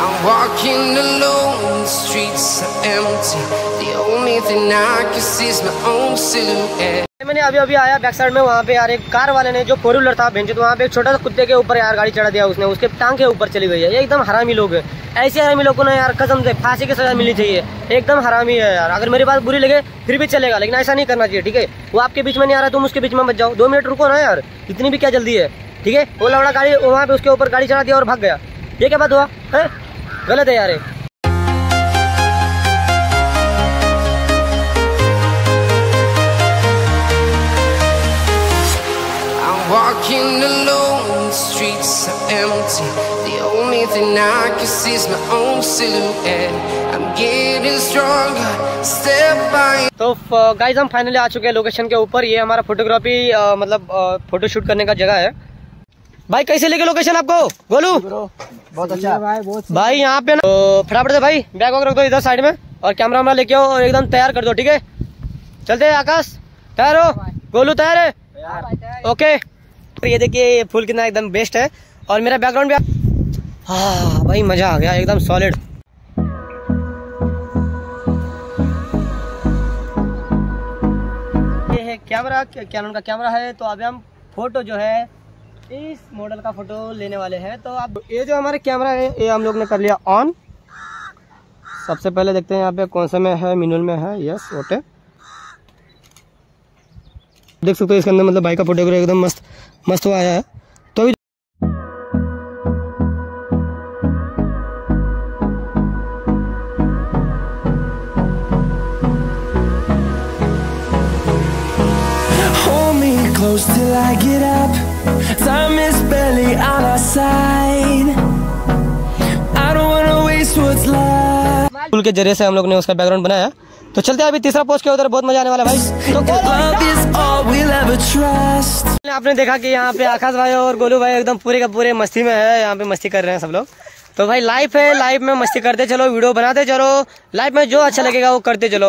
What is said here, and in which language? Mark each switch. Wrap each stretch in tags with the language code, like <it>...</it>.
<en>Walking alone, the streets are empty. The only thing I can see is my own silhouette.</en> <hi>मैंने अभी अभी आया back side में, वहाँ पे यार एक कार वाले ने जो फोर व्हीलर था बेंच, तो वहाँ पे एक छोटा सा कुत्ते के ऊपर यार गाड़ी चढ़ा दिया उसने, उसके टांग के ऊपर चली गई है। ये एकदम हरामी लोग है। ऐसे हरामी लोगों ने यार कसम से फांसी की सजा मिलनी चाहिए, एकदम हरामी है यार। अगर मेरी बात बुरी लगे फिर भी चलेगा, लेकिन ऐसा नहीं करना चाहिए ठीक है। वो आपके बीच में नहीं आ रहा, तुम उसके बीच में मत जाओ। 2 मिनट रुको ना यार, इतनी भी क्या जल्दी है ठीक है। वो लौड़ा गाड़ी वहाँ पे उसके ऊपर गाड़ी चढ़ा दिया और भाग गया। ये क्या बात हुआ, गलत है यार।</hi> <en>Walking alone, the streets are empty. The only thing I can see is my own silhouette. I'm getting stronger, step by.</en> <hi>तो गाइज हम फाइनली आ चुके हैं लोकेशन के ऊपर। ये हमारा फोटोग्राफी मतलब फोटो शूट करने का जगह है। भाई कैसे लेके लोकेशन आपको बोलू? बहुत अच्छा भाई, बहुत भाई यहाँ पे ना। तो फटाफट से भाई बैग वगैरह रख दो इधर साइड में और कैमरा वैमरा लेके आओ और एकदम तैयार कर दो ठीक है। चलते हैं आकाश, तैयार हो गोलू? तैयार है ओके। ये देखिए ये फूल कितना एकदम बेस्ट है और मेरा बैकग्राउंड भी। हाँ भाई मजा आ गया एकदम सॉलिड। ये है कैमरा, कैनन का कैमरा है। तो अभी हम फोटो जो है इस मॉडल का फोटो लेने वाले हैं। तो अब ये जो हमारे कैमरा है ये हम लोग ने कर लिया ऑन। सबसे पहले देखते हैं यहाँ पे कौन से में है, मिनुल में है। यस ओके देख सकते हो इसके अंदर मतलब भाई का फोटोग्राफी एकदम मस्त मस्त हुआ है। तो अभी</hi> <en>Hold me close till I get up. Time is barely on our side. I don't wanna waste what's left.</en> <hi>फूल के जरिए से हम लोग ने उसका बैकग्राउंड बनाया। तो चलते हैं अभी तीसरा पोस्ट के उधर, बहुत मजा आने वाला है भाई। तो We'll आपने देखा कि यहाँ पे आकाश भाई और गोलू भाई एकदम पूरे का पूरे मस्ती में है, यहाँ पे मस्ती कर रहे हैं सब लोग। तो भाई लाइफ है, लाइफ में मस्ती करते चलो, वीडियो बनाते चलो, लाइफ में जो अच्छा लगेगा वो करते चलो।</hi>